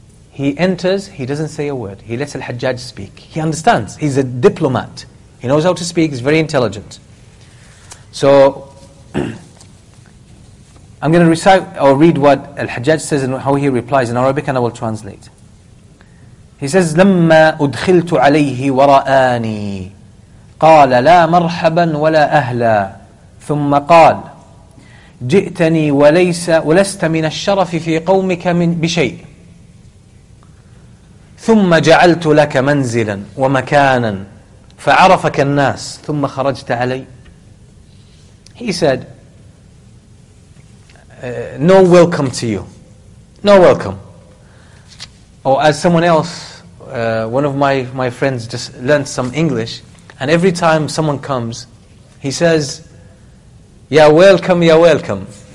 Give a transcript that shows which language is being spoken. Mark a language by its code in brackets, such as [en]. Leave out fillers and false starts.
[en] He enters, he doesn't say a word. He lets al-Hajjaj speak. He understands. He's a diplomat. He knows how to speak. He's very intelligent. So I'm going to recite or read what al-Hajjaj says and how he replies in Arabic, and I will translate. He says, [ar] لَمَّا أُدْخِلْتُ عَلَيْهِ وَرَآنِي قَالَ لَا مَرْحَبًا وَلَا أَهْلًا ثم قال جئتني وليس ولست من الشرف في قومك من بشيء ثم جعلت لك منزلا ومكانا فعرفك الناس ثم خرجت علي. [en] He said, no welcome to you, no welcome. Or as someone else, one of my friends just learned some English, and every time someone comes, he says, ya welcome, ya welcome.